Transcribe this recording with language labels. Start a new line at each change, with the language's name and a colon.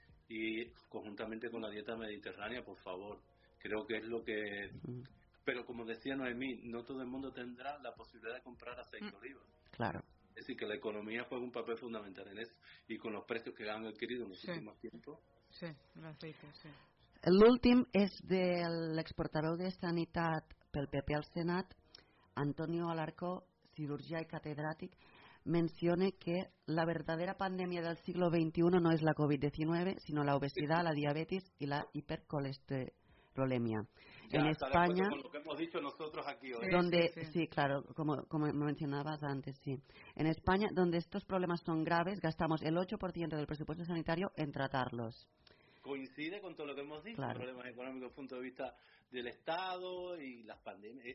Spanish: Y conjuntamente con la dieta mediterránea, por favor. Creo que es lo que... Pero como decía Noemí, no todo el mundo tendrá la posibilidad de comprar aceite de oliva. Claro. Es decir, que la economía juega un papel fundamental en eso. Y con los precios que han adquirido en los últimos tiempos... Sí, el aceite, sí.
Catalan: L'últim és de l'exportador de sanitat pel PP al Senat, Antonio Alarcó, cirurgià i catedràtic, menciona que la verdadera pandèmia del segle XXI no és la Covid-19, sinó la obesitat, la diabetis i la hipercolesterolemia.
Spanish: Ya, en España, con lo que hemos dicho nosotros aquí hoy. Donde sí, claro, como mencionabas antes, sí. En España, donde estos problemas son graves, gastamos el 8% del presupuesto sanitario en tratarlos. Coincide con todo lo que hemos dicho, claro. Problemas económicos desde el punto de vista del Estado y las pandemias.